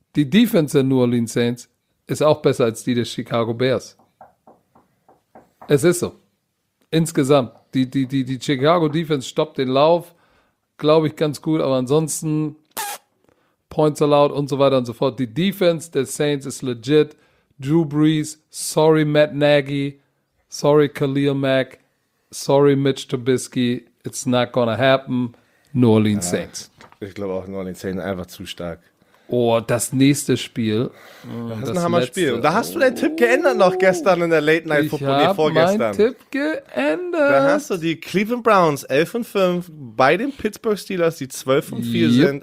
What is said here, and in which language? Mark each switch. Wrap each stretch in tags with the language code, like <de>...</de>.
<de>Die Defense der New Orleans Saints ist auch besser als die der Chicago Bears. Es ist so. Insgesamt. Die Chicago Defense stoppt den Lauf, glaube ich, ganz gut. Aber ansonsten, Points allowed und so weiter und so fort. Die Defense der Saints ist legit.</de> <en>Drew Brees, sorry Matt Nagy, sorry Khalil Mack, sorry Mitch Trubisky, it's not gonna happen.</en> <de>New Orleans Saints. Ich glaube auch, New Orleans Saints einfach zu stark. Oh, das nächste Spiel. Das ist ein Hammer-Spiel. Und da hast du deinen Tipp geändert noch gestern in der Late Night Football, vorgestern. Ich habe meinen Tipp geändert. Da hast du die Cleveland Browns 11-5 bei den Pittsburgh Steelers, die 12-4 sind.</de>